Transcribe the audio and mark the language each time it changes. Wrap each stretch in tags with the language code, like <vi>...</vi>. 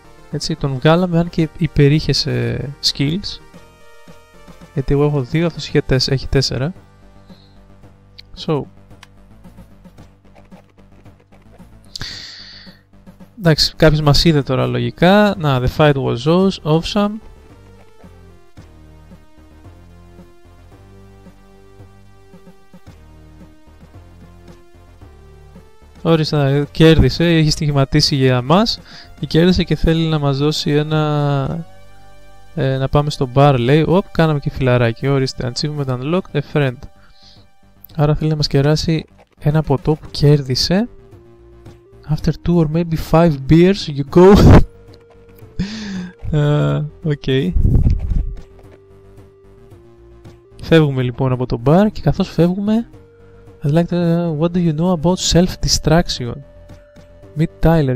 <el>Έτσι, τον βγάλαμε, αν και υπερήχε σε skills, γιατί εγώ έχω 2, αυτός έχει 4. So. Εντάξει, κάποιος μας είδε τώρα λογικά.</el> <en>Να, the fight was awesome.</en> <el>Όρισα, κέρδισε, έχει στοιχηματίσει για μας. Και κέρδισε και θέλει να μας δώσει ένα... να πάμε στο bar, λέει. Οπ, κάναμε και φιλαράκι, ορίστε.</el> <en>Achievement unlocked, a friend.</en> <el>Άρα θέλει να μας κεράσει ένα ποτό που κέρδισε.</el> <en>After 2 or maybe 5 beers, you go. Okay.</en> <el>Φεύγουμε λοιπόν από το bar και καθώς φεύγουμε,</el> <en>I'd like to what do you know about self-destruction? Meet Tyler.</en>